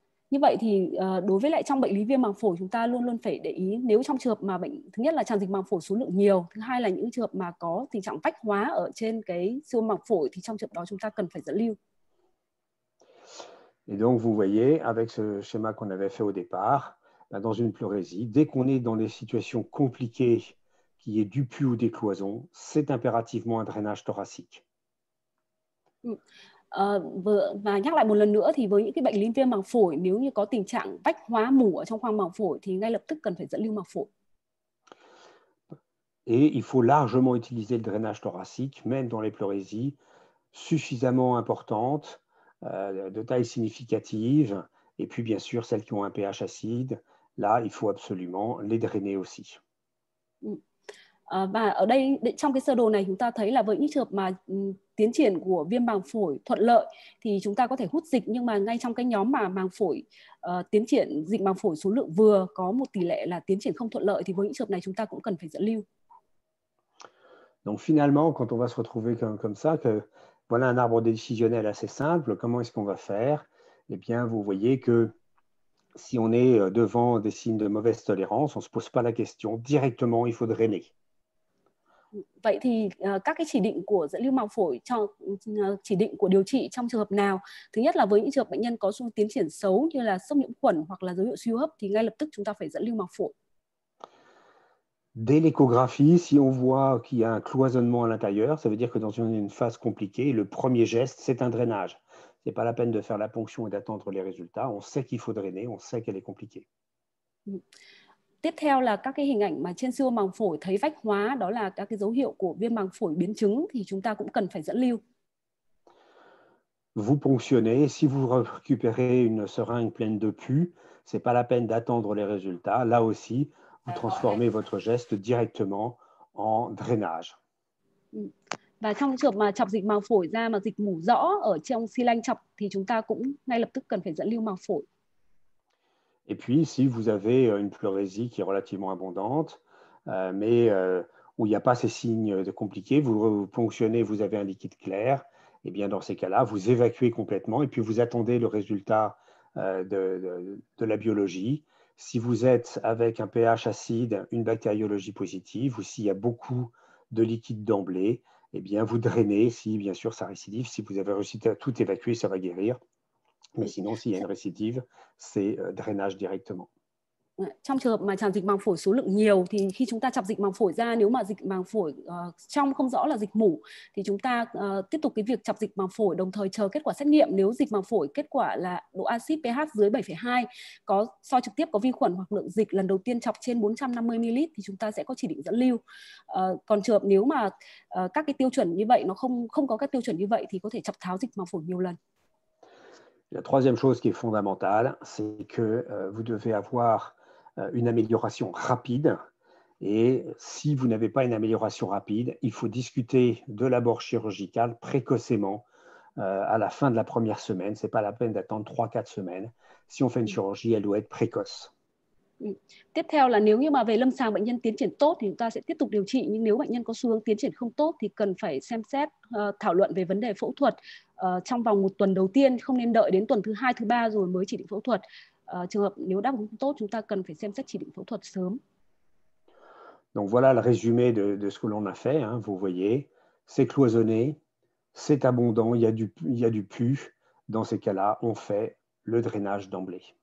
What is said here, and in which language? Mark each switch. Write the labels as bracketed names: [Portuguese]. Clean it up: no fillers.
[Vietnamese] Như vậy thì đối với lại trong bệnh lý viêm màng phổi chúng ta luôn luôn phải để ý nếu trong trường hợp mà bệnh thứ nhất là tràn dịch màng phổi số lượng nhiều, thứ hai là những trường hợp mà có tình trạng vách hóa ở trên cái siêu màng phổi thì trong trường hợp đó chúng ta cần phải dẫn lưu. [French] Et donc, vous voyez, avec ce schéma qu'on avait fait au départ, dans une pleurésie, dès qu'on est dans des situations compliquées, qui est du pus ou des cloisons, c'est impérativement un drainage thoracique. [Vietnamese] Và nhắc lại một lần nữa, thì với những cái bệnh lý viêm màng phổi, nếu như có tình trạng vách hóa mủ ở trong khoang màng phổi, thì ngay lập tức cần phải dẫn lưu màng phổi. [French] Et il faut largement utiliser le drainage thoracique, même dans les pleurésies suffisamment importantes, de taille significative, et puis bien sûr celles qui ont un pH acide, là il faut absolument les drainer aussi. [Vietnamese] Và ở đây trong cái sơ đồ này chúng ta thấy là với những trường hợp mà tiến triển của viêm màng phổi thuận lợi thì chúng ta có thể hút dịch, nhưng mà ngay trong cái nhóm mà màng phổi tiến triển dịch màng phổi số lượng vừa có một tỷ lệ là tiến triển không thuận lợi thì với những trường hợp này chúng ta cũng cần phải dẫn lưu. [French] Donc finalement quand on va se retrouver comme ça que voilà un arbre décisionnel assez simple. Comment est-ce qu'on va faire? Eh bien, vous voyez que si on est devant des signes de mauvaise tolérance, on ne se pose pas la question. Directement, il faut drainer. [Vietnamese] Vậy thì các cái chỉ định của dẫn lưu màng phổi cho chỉ định của điều trị trong trường hợp nào? Thứ nhất là với những trường hợp bệnh nhân có xu tiến triển xấu như là sốc nhiễm khuẩn hoặc là dấu hiệu suy hô hấp thì ngay lập tức chúng ta phải dẫn lưu màng phổi. [French] Dès l'échographie, si on voit qu'il y a un cloisonnement à l'intérieur, ça veut dire que dans une phase compliquée, le premier geste, c'est un drainage. Ce n'est pas la peine de faire la ponction et d'attendre les résultats. On sait qu'il faut drainer, on sait qu'elle est compliquée. [Vietnamese] Tiếp theo là các cái hình ảnh mà trên siêu màng phổi thấy vách hóa, đó là các cái dấu hiệu của viêm màng phổi biến chứng, thì chúng ta cũng cần phải dẫn lưu. [French] Vous ponctionnez, si vous récupérez une seringue pleine de pus, ce n'est pas la peine d'attendre les résultats, là aussi, vous transformez votre geste directement en drainage. [Vietnamese] Và trong trường hợp mà chọc dịch màng phổi ra mà dịch mủ rõ ở trong xi lanh chọc thì chúng ta cũng ngay lập tức cần phải dẫn lưu màng phổi. [French] Et puis si vous avez une pleurésie qui est relativement abondante mais où il n'y a pas ces signes de compliqués, vous ponctionnez, vous avez un liquide clair, et bien dans ces cas-là, vous évacuez complètement et puis vous attendez le résultat de la biologie. Si vous êtes avec un pH acide, une bactériologie positive, ou s'il y a beaucoup de liquide d'emblée, eh bien vous drainez, si bien sûr ça récidive. Si vous avez réussi à tout évacuer, ça va guérir. Mais sinon, s'il y a une récidive, c'est drainage directement. [Vietnamese] Trong trường hợp mà tràn dịch màng phổi số lượng nhiều thì khi chúng ta chọc dịch màng phổi ra, nếu mà dịch màng phổi trong không rõ là dịch mủ thì chúng ta tiếp tục cái việc chọc dịch màng phổi đồng thời chờ kết quả xét nghiệm. Nếu dịch màng phổi kết quả là độ axit pH dưới 7,2, có soi trực tiếp có vi khuẩn hoặc lượng dịch lần đầu tiên chọc trên 450 ml thì chúng ta sẽ có chỉ định dẫn lưu. Còn trường hợp nếu mà các cái tiêu chuẩn như vậy, nó không có các tiêu chuẩn như vậy thì có thể chọc tháo dịch màng phổi nhiều lần. [French] La troisième chose qui est fondamentale, c'est que vous devez avoir une amélioration rapide Et si vous n'avez pas une amélioration rapide, il faut discuter de l'abord chirurgical précocement à la fin de la première semaine. Ce n'est pas la peine d'attendre 3-4 semaines. Si on fait une chirurgie, elle doit être précoce. [Vietnamese] Tiếp theo là nếu như mà về lâm sàng bệnh nhân tiến triển tốt thì chúng ta sẽ tiếp tục điều trị, nhưng nếu bệnh nhân có xu hướng tiến triển không tốt thì cần phải xem xét thảo luận về vấn đề phẫu thuật trong vòng một tuần đầu tiên, không nên đợi đến tuần thứ hai, thứ ba rồi mới chỉ định phẫu thuật. Trường hợp nếu đáp ứng không tốt, chúng ta cần phải xem xét chỉ định phẫu thuật sớm. [French] Donc voilà le résumé de ce que l'on a fait, hein, vous voyez, c'est cloisonné, c'est abondant, il y a du pus, dans ces cas-là, on fait le drainage d'emblée.